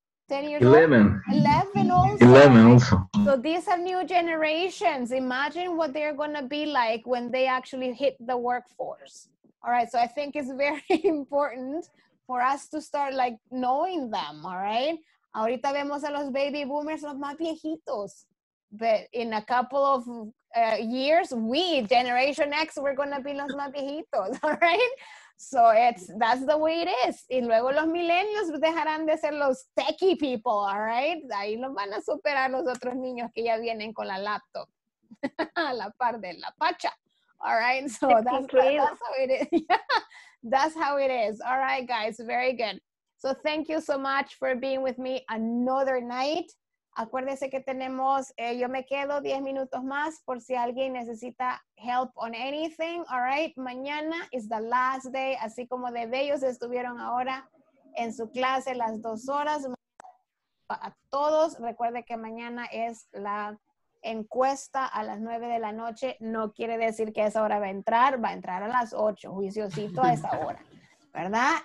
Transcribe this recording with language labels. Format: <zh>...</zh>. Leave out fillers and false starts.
<en>10 years 11. Old? 11. 11 also. 11 also. So these are new generations. Imagine what they're going to be like when they actually hit the workforce. All right, so I think it's very important for us to start like knowing them, all right?</en> <es>Ahorita vemos a los baby boomers, los más viejitos.</es> <en>But in a couple of years, we, Generation X, we're gonna be</en> <es>los más viejitos,</es> <en>all right? So that's the way it is.</en> <es>Y luego los millennials dejarán de ser los</es> <en>techie people, all right?</en> <es>Ahí los van a superar los otros niños que ya vienen con la laptop. A la par de la pacha.</es> <en>All right, so that's how it is. That's how it is. All right, guys, very good. So thank you so much for being with me another night.</en> <es>Acuérdese que tenemos, yo me quedo 10 minutos más por si alguien necesita</es> <en>help on anything.</en> <es>All right, mañana</es> <en>is the last day,</en> <es>así como de bellos estuvieron ahora en su clase las 2 horas. A todos, recuerde que mañana es la encuesta a las 9 de la noche, no quiere decir que a esa hora va a entrar a las 8, juiciosito a esa hora, ¿verdad?</es>